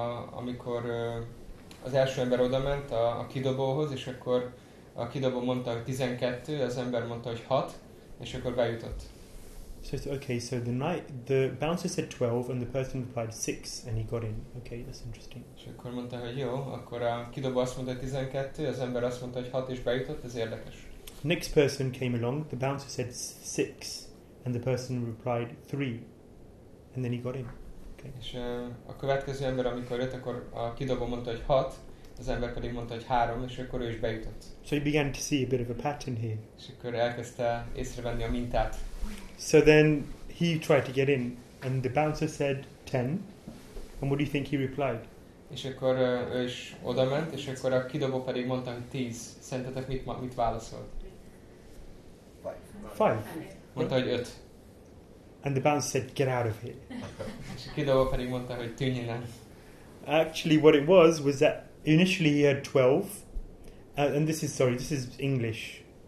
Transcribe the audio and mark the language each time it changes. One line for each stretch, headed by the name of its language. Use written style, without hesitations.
Hungarian: Amikor az első ember odament a kidobóhoz, és akkor a kidobó mondta, hogy 12, az ember mondta, hogy 6, és akkor bejutott.
English: So the bouncer said 12, and the person replied 6, and he got in. Okay, that's interesting.
Hungarian: És akkor mondta, hogy jó, akkor a kidobó azt mondta, hogy 12, az ember azt mondta, hogy 6, és bejutott, ez érdekes.
English: Next person came along, the bouncer said 6, and the person replied 3, and then he got in. Okay.
Hungarian: És a következő ember, amikor jött, akkor a kidobó mondta, hogy 6, az ember pedig mondta, hogy 3, és akkor ő is bejutott.
English: So he began to see a bit of a pattern here.
Hungarian: És akkor elkezdte észrevenni a mintát.
English: So then he tried to get in, and the bouncer said 10, and what do you think he replied?
Hungarian: És akkor ő is odament, és akkor a kidobó pedig mondta, hogy 10. Szerintetek mit válaszolt?
English: 5.
Hungarian: Mondta, hogy 5.
English: And the bouncer said, get out of here.
Hungarian: És a kidobó pedig mondta, hogy tűnj innen.
English: Actually, what it was that initially he had 12, and this is English.